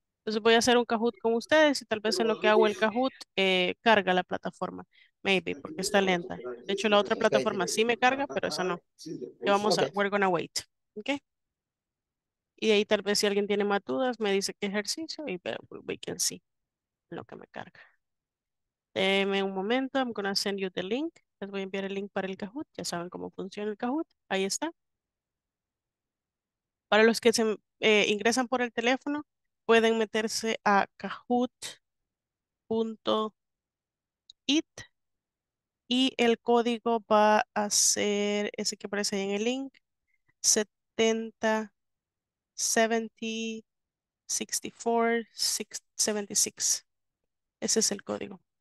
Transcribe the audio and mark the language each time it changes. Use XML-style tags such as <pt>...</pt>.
<es>Entonces voy a hacer un Kahoot con ustedes y tal vez en lo que hago el Kahoot carga la plataforma. Maybe, porque está lenta. De hecho, la otra plataforma sí me carga, pero esa no. Y vamos a,</es> <en>we're gonna wait,</en> <es>¿ok? Y ahí tal vez si alguien tiene más dudas, me dice qué ejercicio y</es> <en>we can see</en> <es>lo que me carga. Deme un momento,</es> <en>I'm going to send you the link.</en> <es>Les voy a enviar el link para el Kahoot. Ya saben cómo funciona el Kahoot. Ahí está. Para los que se ingresan por el teléfono, pueden meterse a kahoot.it y el código va a ser ese que aparece ahí en el link, 70 74 76. Ese es el código.</es>